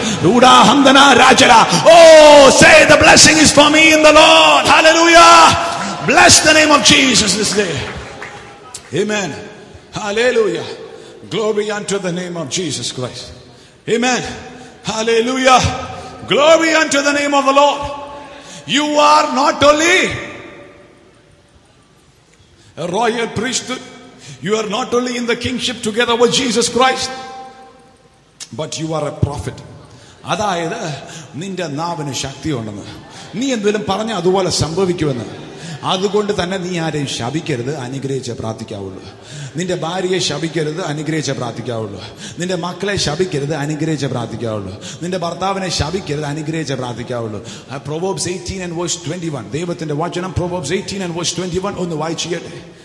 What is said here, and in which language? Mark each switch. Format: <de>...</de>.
<en>രൂഢാഹന്തന രാജന, oh say the blessing is for me in the Lord. Hallelujah, bless the name of Jesus this day. Amen. Hallelujah, glory unto the name of Jesus Christ. Amen. Hallelujah, glory unto the name of the Lord. You are not only a royal priesthood, you are not only in the kingship together with Jesus Christ, but you are a prophet.</en> <ml>അതായത് നിന്റെ നാവിന് ശക്തിയുണ്ടെന്ന്, നീ എന്തെങ്കിലും പറഞ്ഞാൽ അതുപോലെ സംഭവിക്കുമെന്ന്. അതുകൊണ്ട് തന്നെ നീ ആരെയും ശപിക്കരുത്, അനുഗ്രഹിച്ചേ പ്രാർത്ഥിക്കാവുള്ളൂ. നിന്റെ ഭാര്യയെ ശപിക്കരുത്, അനുഗ്രഹിച്ചേ പ്രാർത്ഥിക്കാവുള്ളൂ. നിന്റെ മക്കളെ ശപിക്കരുത്, അനുഗ്രഹിച്ചേ പ്രാർത്ഥിക്കാവുള്ളൂ. നിന്റെ ഭർത്താവിനെ ശപിക്കരുത്, അനുഗ്രഹിച്ചേ പ്രാർത്ഥിക്കാവുള്ളൂ. പ്രൊവേബ്സ് 18:21, ദൈവത്തിന്റെ വചനം, പ്രൊവേബ്സ് 18:21 ഒന്ന് വായിച്ചിട്ടേ.</ml>